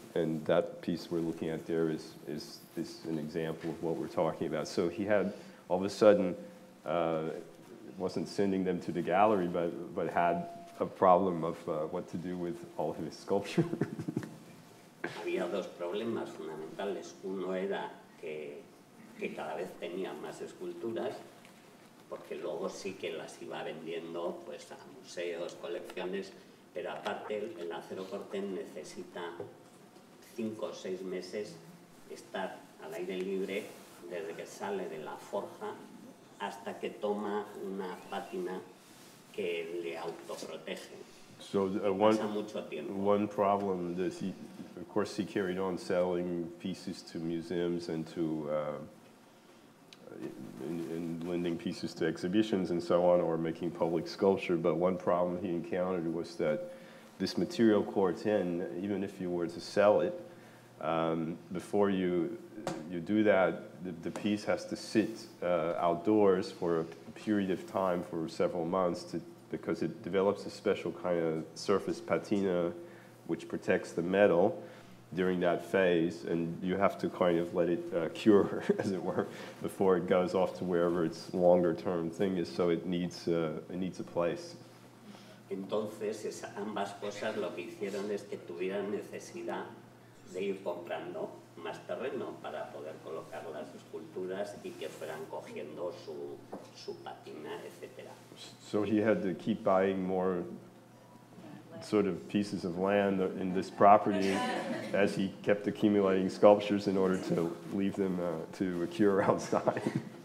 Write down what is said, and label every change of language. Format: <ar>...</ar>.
<en>And that piece we're looking at there is an example of what we're talking about. So he had, all of a sudden, wasn't sending them to the gallery, but had a problem of what to do with all his sculpture.</en> <es>Había dos problemas fundamentales. Uno era que cada vez tenía más esculturas, porque luego sí que las iba vendiendo pues a museos, colecciones, pero aparte el acero corten necesita 5 o 6 meses estar al aire libre desde que sale de la forja hasta que toma una pátina que le autoprotege.</es> <en>So one problem that he, of course, he carried on selling pieces to museums and to in lending pieces to exhibitions and so on, or making public sculpture. But one problem he encountered was that this material corten, even if you were to sell it, before you do that, the piece has to sit outdoors for a period of time, for several months, because it develops a special kind of surface patina which protects the metal during that phase, and you have to kind of let it cure, as it were, before it goes off to wherever its longer term thing is, so it needs a place.</en> <es>Entonces, ambas cosas lo que hicieron es que tuvieran necesidad de ir comprando más terreno para poder colocar las esculturas y que fueran cogiendo su patina, etc.</es> <en>So he had to keep buying more sort of pieces of land in this property as he kept accumulating sculptures in order to leave them to cure outside.</en>